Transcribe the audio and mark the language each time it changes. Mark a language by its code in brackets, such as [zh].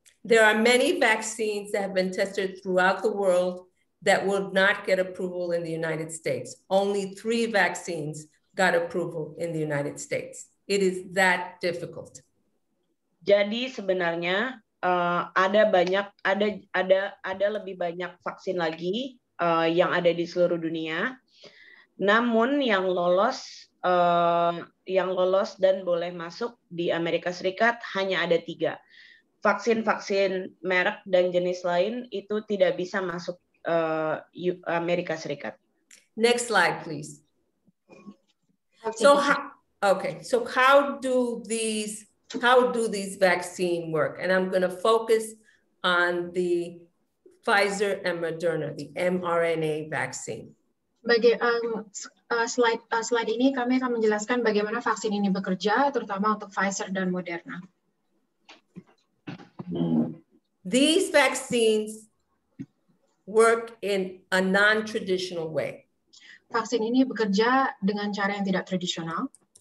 [en] There are many vaccines that have been tested throughout the world that will not get approval in the United States. Only 3 vaccines got approval in the United States. It is that difficult. [id] Jadi sebenarnya ada lebih banyak vaksin lagi yang ada di seluruh dunia. Namun yang lolos dan boleh masuk di Amerika Serikat hanya ada 3. Vaksin-vaksin merek dan jenis lain itu tidak bisa masuk Amerika Serikat. [en] Next slide, please. So how do these vaccine work? And I'm going to focus on the Pfizer and Moderna, the mRNA vaccine. [id] Slide ini kami akan menjelaskan bagaimana vaksin ini bekerja, terutama untuk Pfizer dan Moderna. [en] These vaccines work in a non-traditional way. [id] Vaksin ini bekerja dengan cara yang tidak tradisional.